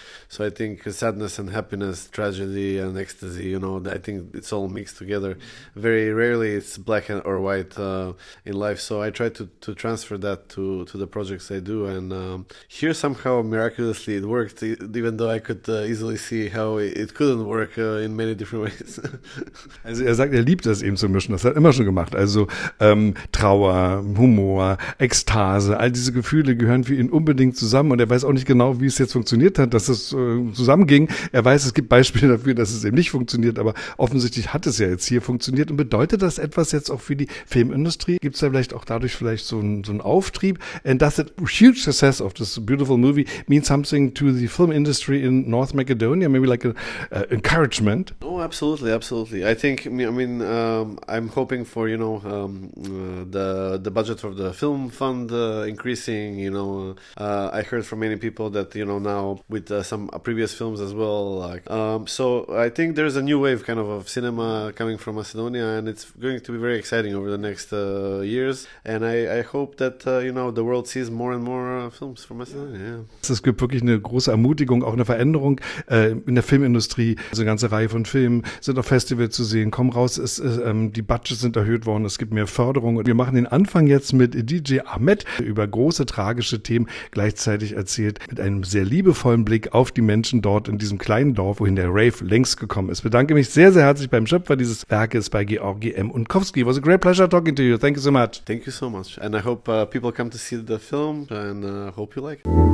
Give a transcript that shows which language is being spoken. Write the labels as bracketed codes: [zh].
[en] So I think sadness and happiness, tragedy and ecstasy, you know, I think it's all mixed together. Very rarely it's black or white in life. So I try to transfer that to the projects I do. And here somehow miraculously it worked, even though I could easily see how it couldn't work in many different ways. [de] Also er sagt, er liebt das eben zu mischen. Das hat er immer schon gemacht. Also Trauer, Humor, Ekstase, all diese Gefühle gehören für ihn unbedingt zusammen, und er weiß auch nicht genau, wie es jetzt funktioniert hat, dass es zusammenging. Er weiß, es gibt Beispiele dafür, dass es eben nicht funktioniert, aber offensichtlich hat es ja jetzt hier funktioniert. Und bedeutet das etwas jetzt auch für die Filmindustrie? Gibt es da vielleicht auch dadurch vielleicht so einen Auftrieb? [en] And does it huge success of this beautiful movie mean something to the film industry in North Macedonia? Maybe like an encouragement? Oh, absolutely, absolutely. I think, I mean, I'm hoping for, you know, the the budget of the film fund increasing. You know, I heard from many people that, you know, now with some previous films as well. Like, so I think there's a new wave kind of cinema coming from Macedonia, and it's going to be very exciting over the next years. And I hope that, you know, the world sees more and more films from Macedonia. Yeah. [de] Es gibt wirklich eine große Ermutigung, auch eine Veränderung in der Filmindustrie. Also eine ganze Reihe von Filmen sind auf Festivals zu sehen. Komm raus, die Budgets sind erhöht worden, es gibt mehr Förderung. Und wir machen den Anfang jetzt mit DJ Ahmed, der über große tragische Themen gleichzeitig erzählt, mit einem sehr liebevollen Blick auf die Menschen dort in diesem kleinen Dorf, wohin der Rave längst gekommen ist. Ich bedanke mich sehr, sehr herzlich beim Schöpfer dieses Werkes, bei Georgi M. Unkowski. [en] It was a great pleasure talking to you. Thank you so much. Thank you so much. And I hope people come to see the film and hope you like it.